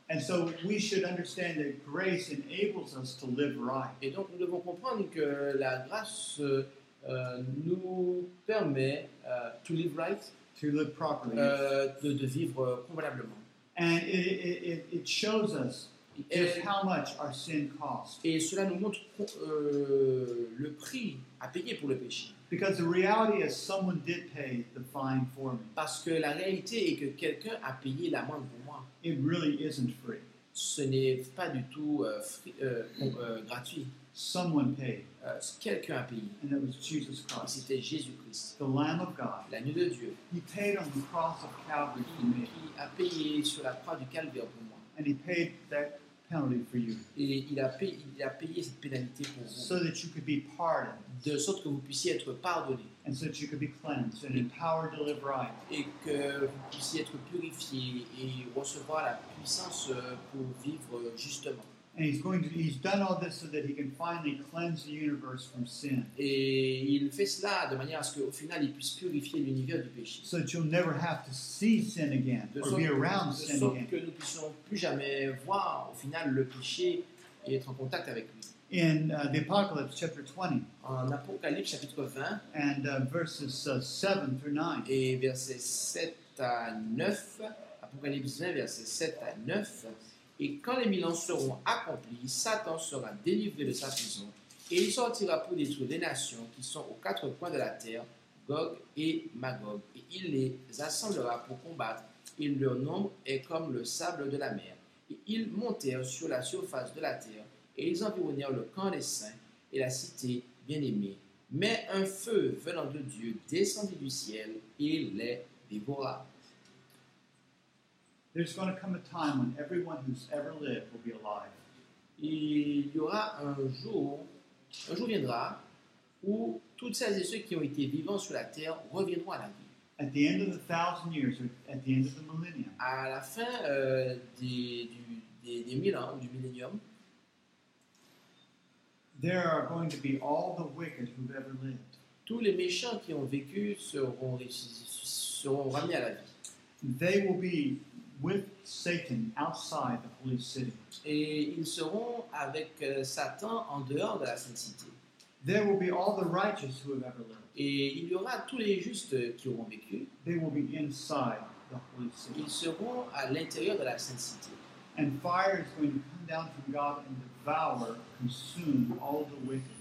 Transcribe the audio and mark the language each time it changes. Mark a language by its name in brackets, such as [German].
[English] And so we should understand that grace enables us to live right. [French] Et donc nous devons comprendre que la grâce nous permet [English] to live right. To live properly. [French] De vivre convenablement. [English] And it shows us just how much our sin costs. [French] Et cela nous montre le prix à payer pour le péché. [English] Because the reality is someone did pay the fine for me. [French] Parce que la réalité est que quelqu'un a payé l'amende pour moi. [English] It really isn't free. [French] Ce n'est pas du tout gratuit. [English] Someone paid. [French] Quelqu'un a payé. [English] And it was Jesus Christ. [French] Et c'était Jésus-Christ. [English] The Lamb of God. [French] L'agneau de Dieu. [English] He paid on the cross of Calvary for me. [French] Il a payé sur la croix du Calvaire pour moi. [English] And he paid that penalty for you. [French] Et il a payé cette pénalité pour vous. [English] So that you could be pardoned. [French] De sorte que vous puissiez être pardonné. [English] And so that you could be cleansed and empowered to live right. [French] Et que vous puissiez être purifié et recevoir la puissance pour vivre justement. [English] And he's done all this so that he can finally cleanse the universe from sin. [French] Et il fait cela de manière à ce qu'au final il puisse purifier l'univers du péché. [English] So that you'll never have to see sin again or be around sin again. [French] De sorte que nous puissions plus jamais voir au final le péché et être en contact avec lui. [English] In the Apocalypse chapter 20. [French] En Apocalypse chapitre 20. [English] And verses 7 through 9. [French] Et versets 7 à 9. Apocalypse 20 versets 7 à 9. Et quand les mille ans seront accomplis, Satan sera délivré de sa prison et il sortira pour détruire les nations qui sont aux quatre coins de la terre, Gog et Magog. Et il les assemblera pour combattre et leur nombre est comme le sable de la mer. Et ils montèrent sur la surface de la terre et ils environnèrent le camp des saints et la cité bien-aimée. Mais un feu venant de Dieu descendit du ciel et les dévora. [English] There's going to come a time when everyone who's ever lived will be alive. [French] Il y aura un jour viendra, où toutes celles et ceux qui ont été vivants sur la terre reviendront à la vie. [English] At the end of the thousand years, or at the end of the millennium. [French] À la fin des mille ans, du millénium. [English] There are going to be all the wicked who've ever lived. [French] Tous les méchants qui ont vécu seront ramenés à la vie. [English] They will be with Satan outside the holy city. [French] Et ils seront avec Satan en dehors de la sainte cité. [English] There will be all the righteous who have ever lived. [French] Et il y aura tous les justes qui auront vécu. [English] They will be inside the holy city. [French] Ils seront à l'intérieur de la sainte cité. [English] And fire is going to come down from God and devour, consume all the wicked.